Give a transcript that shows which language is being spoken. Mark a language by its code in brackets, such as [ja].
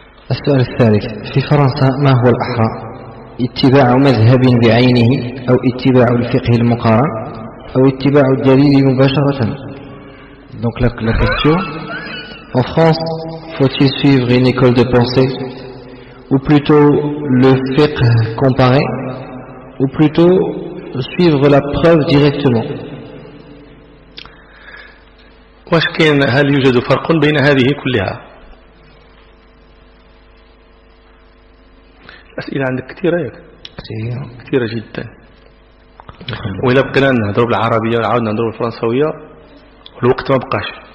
[ar] السؤال الثالث: في فرنسا ما هو الأحرى، اتباع مذهب بعينه أو اتباع الفقه المقارن أو اتباع الدليل مباشرة؟ [fr] donc la question: en France faut-il suivre une école de pensée ou plutôt le fiqh comparé, ou plutôt suivre la preuve directement. [ar] واش كاين هل يوجد فرق بين هذه كلها؟ أسئلة عندك كثيرة ياك؟ كثيرة جدا. وإلا بقينا نهضروا بالعربية وعاودنا نهضروا بالفرنسوية الوقت ما بقاش.